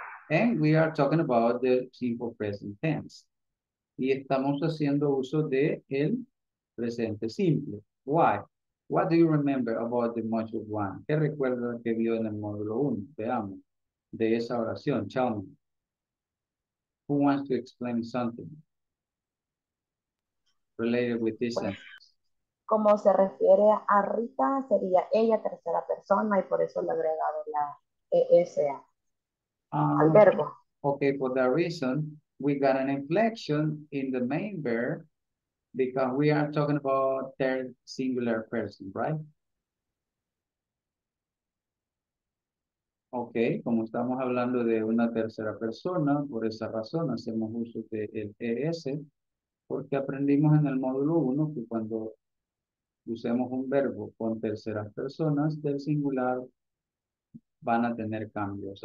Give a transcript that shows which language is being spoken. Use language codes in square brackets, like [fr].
[en] And we are talking about the simple present tense. [es] Y estamos haciendo uso de el presente simple. [en] Why? What do you remember about the module one? [es] ¿Qué recuerda que vio en el módulo 1? Veamos. De esa oración. [en] Tell me. Who wants to explain something related with this sentence? [es] Como se refiere a Rita, sería ella tercera persona y por eso le he agregado la ESA al verbo. [en] Okay, for that reason, we got an inflection in the main verb because we are talking about third singular person, right? [es] Okay, como estamos hablando de una tercera persona, por esa razón hacemos uso del ES. Porque aprendimos en el módulo 1 que cuando usemos un verbo con terceras personas del singular van a tener cambios.